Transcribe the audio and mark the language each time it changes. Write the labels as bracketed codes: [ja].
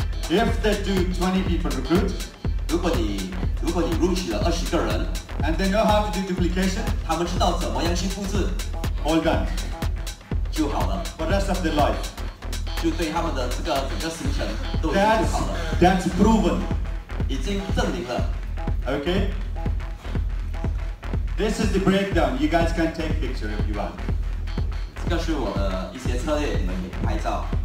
[en] If they do 20 people recruit, [zh] 如果你录取了20个人 [en] And they know how to do duplication [zh] 他们知道怎么样去复制 [en] All done [zh] 就好了 [en] For the rest of their life [zh] 就对他们的这个整个行程都已经做好了 [en] That's proven [zh] 已经证明了 [en] Okay This is the breakdown, you guys can take picture if you want [zh] 这个是我的一些策略，你们拍照